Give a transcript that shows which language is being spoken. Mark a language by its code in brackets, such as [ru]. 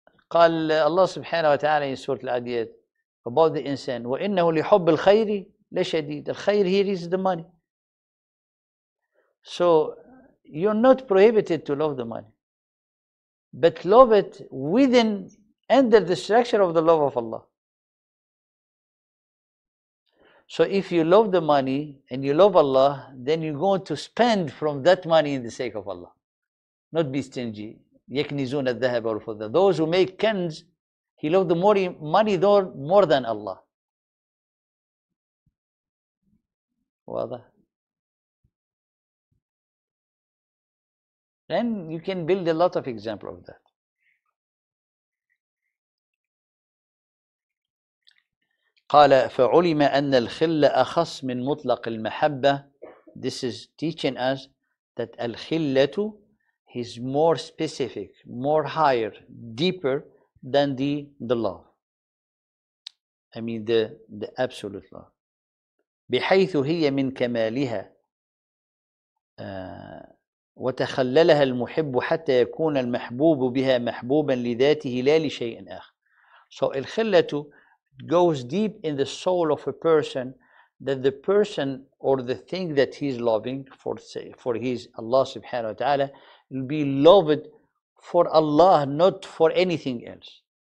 [ar] قال الله سبحانه وتعالى [en] in Surah Al-Adiyat about the insan, [ar] وَإِنَّهُ لِحُبِّ الْخَيْرِ لَشَدِيدٌ. [en] الخير here is the money. So, you're not prohibited to love the money. But love it within, under the structure of the love of Allah. So if you love the money and you love Allah, then you're going to spend from that money in the sake of Allah. Not be stingy. [ar] يَكْنِزُونَ الذَّهَبَ وَالْفُضَّةَ. [en] Those who make kenz, he loves the money more than Allah. Then you can build a lot of example of that. [ar] قال فعلم أن الخل أخص من مطلق المحبة. [en] This is teaching us that الخلة is more specific, more higher, deeper than the love. I mean the absolute love. [ar] بحيث هي من كمالها وتخللها المحب حتى يكون المحبوب بها محبوبا لذاته لا لشيء آخر. [en] So الخلة goes deep in the soul of a person, that the person or the thing that he's loving for, say, for his Allah subhanahu wa ta'ala will be loved for Allah, not for anything else.